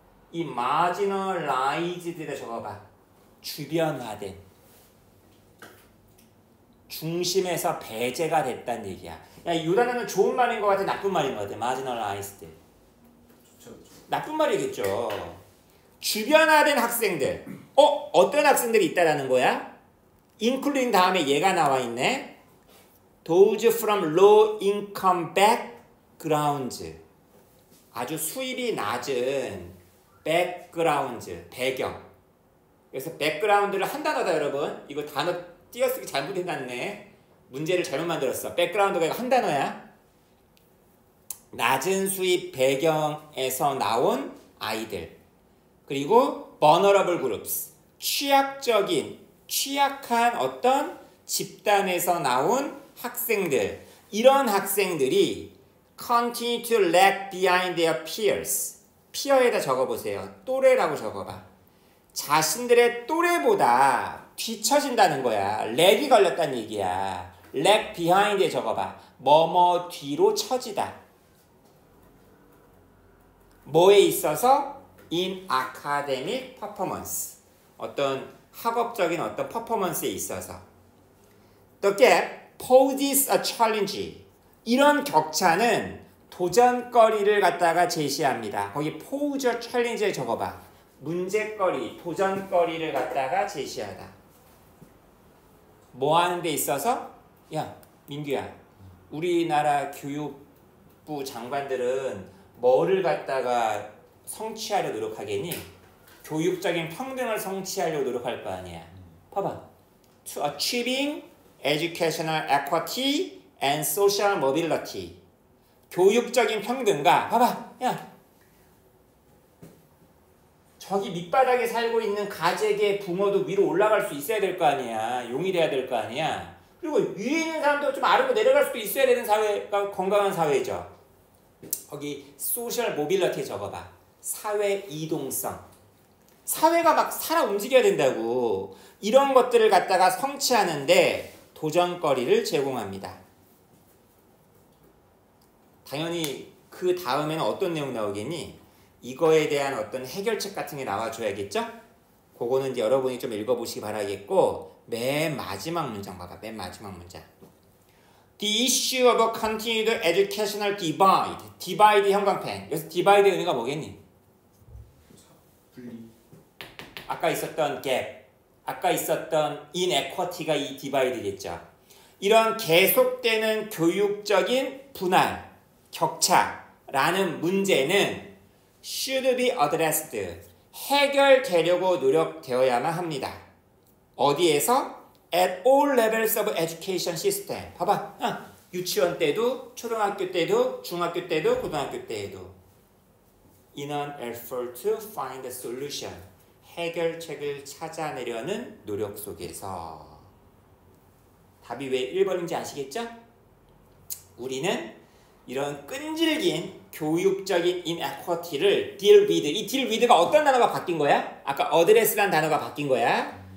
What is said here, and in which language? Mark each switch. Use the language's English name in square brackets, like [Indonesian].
[Korean] 이 마지널라이즈드에다 적어봐. 주변화된 중심에서 배제가 됐단 얘기야. 야, 이 단어는 좋은 말인 것 같아, 나쁜 말인 것 같아. marginalized. 나쁜 말이겠죠. 주변화된 학생들. 어떤 학생들이 있다라는 거야? including 다음에 얘가 나와 있네. [English] those from low income backgrounds. [Korean] 아주 수입이 낮은 backgrounds 배경. 그래서 백그라운드를 한 단어다 여러분. 이거 단어 띄어쓰기 잘못 해놨네. 문제를 잘못 만들었어. 백그라운드가 이거 한 단어야. 낮은 수입 배경에서 나온 아이들. [English] 그리고 vulnerable groups. [Korean] 취약적인, 취약한 어떤 집단에서 나온 학생들. 이런 학생들이 [English] continue to lag behind their peers. [Korean] 피어에다 적어보세요. 또래라고 적어봐. 자신들의 또래보다 뒤처진다는 거야. 렉이 걸렸다는 얘기야. 렉 비하인드에 적어봐. 뭐뭐 뒤로 처지다. 뭐에 있어서? [English] in academic performance. [Korean] 어떤 학업적인 어떤 퍼포먼스에 있어서. [English] The gap poses a challenge. [Korean] 이런 격차는 도전거리를 갖다가 제시합니다. 거기 [English] pose a challenge [Korean] 에 적어봐. 문제거리, 도전거리를 갖다가 제시하다. 뭐 하는 데 있어서? 야, 민규야. 우리나라 교육부 장관들은 뭐를 갖다가 성취하려 노력하겠니? 교육적인 평등을 성취하려고 노력할 거 아니야. 봐봐. [English] To achieving educational equity and social mobility. [Korean] 교육적인 평등과 봐봐. 야. 저기 밑바닥에 살고 있는 가재계 부모도 위로 올라갈 수 있어야 될 거 아니야. 용이 돼야 될 거 아니야. 그리고 위에 있는 사람도 좀 아르고 내려갈 수도 있어야 되는 사회가 건강한 사회죠. 거기 소셜 모빌리티 적어봐. 사회 이동성. 사회가 막 살아 움직여야 된다고. 이런 것들을 갖다가 성취하는데 도전거리를 제공합니다. 당연히 그 다음에는 어떤 내용 나오겠니? 이거에 대한 어떤 해결책 같은 게 나와줘야겠죠? 그거는 이제 여러분이 좀 읽어보시기 바라겠고 맨 마지막 문장 봐봐. 맨 마지막 문장. [English] The issue of a continued educational divide. [Korean] Divide 형광펜. 여기서 divide의 의미가 뭐겠니? 아까 있었던 gap. 아까 있었던 inequity가 이 divide겠죠. 이런 계속되는 교육적인 분할, 격차라는 문제는 [English] should be addressed. [Korean] 해결되려고 노력되어야만 합니다. 어디에서? [English] At all levels of education system. [Korean] 봐봐. 유치원 때도, 초등학교 때도, 중학교 때도, 고등학교 때에도. [English] In an effort to find a solution. [Korean] 해결책을 찾아내려는 노력 속에서. 답이 왜 1번인지 아시겠죠? 우리는 이런 끈질긴 교육적인 inequity를 deal with. 이 deal with가 어떤 단어가 바뀐 거야? 아까 address란 단어가 바뀐 거야?